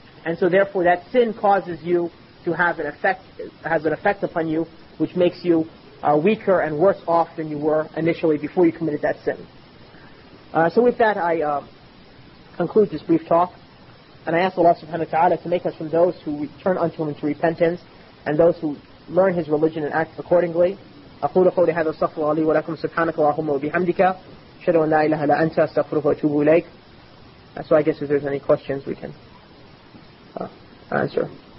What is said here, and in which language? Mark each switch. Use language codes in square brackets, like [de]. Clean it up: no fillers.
[en] And so therefore that sin causes you to have an effect upon you, which makes you weaker and worse off than you were initially before you committed that sin. So with that, I conclude this brief talk. And I ask Allah subhanahu wa ta'ala to make us from those who turn unto Him into repentance, and those who learn His religion and act accordingly. [ar] أقول قولي هذا استغفر الله لي ولكم سبحانك اللهم وبحمدك أشهد أن لا إله إلا أنت أستغفرك وأتوب إليك. [en] So I guess if there's any questions we can answer.